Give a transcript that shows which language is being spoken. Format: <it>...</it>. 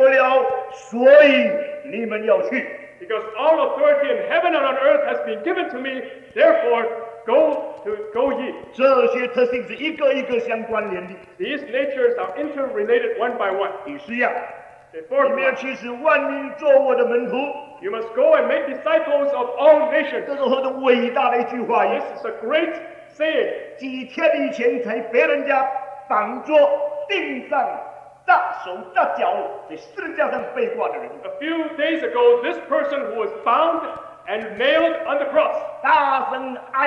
<zh>因为天上地上所有的权柄已经赐给我了，所以你们要去。</zh> <en>Because all authority in heaven and on earth has been given to me, therefore go to go ye.</en> <zh>这些特性是一个一个相关联的。</zh> <en>These natures are interrelated one by one.</en> <zh>也是一样。</zh> <en>Therefore, you must go and make disciples of all nations. This is a great saying. A few days ago, this person who was bound and nailed on the cross,</en>